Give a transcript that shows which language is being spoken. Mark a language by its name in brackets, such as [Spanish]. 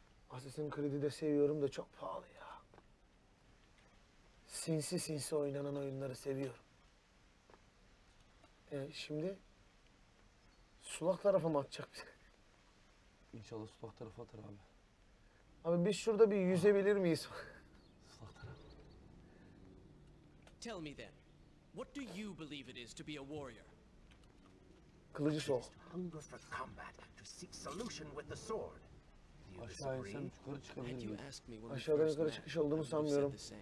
[Turkish] Assassin's Creed'i de seviyorum da çok pahalı ya. Sinsi sinsi oynanan oyunları seviyorum. Şimdi sulak tarafa mı atacak bizi? İnşallah sulak tarafa atar abi. Abi biz şurada bir yüzebilir miyiz? Sulak tarafa. [English] Tell me then. What do you believe it is to be a warrior? [Turkish] Kılıcı sol. [English] Hunger for combat to seek solution with the sword. [Turkish] Aşağıya sen yukarı çıkabilir miyim? Aşağıdan yukarı çıkış olduğunu sanmıyorum.